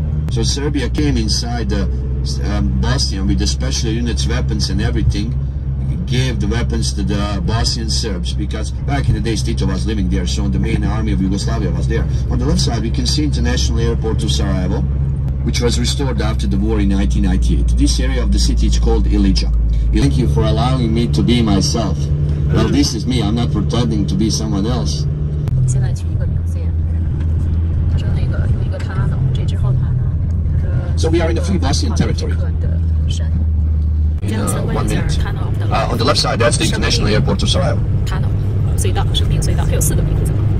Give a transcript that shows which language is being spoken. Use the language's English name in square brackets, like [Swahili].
[English] So Serbia came inside Bosnia with the special units, weapons and everything, gave the weapons to the Bosnian Serbs, because back in the days Tito was living there, so the main army of Yugoslavia was there. On the left side, we can see International Airport of Sarajevo. Which was restored after the war in 1998. This area of the city is called Ilija. Thank you for allowing me to be myself. Well, this is me. I'm not pretending to be someone else. [Chinese] 现在去一个名字，就那个有一个塔呢。这之后塔呢，它是。 [English] So we are in the Free Bosnian Territory. One minute. On the left side, that's the International Airport of Sarajevo. [Chinese] 塔呢，隧道，生命隧道，它有四个名字。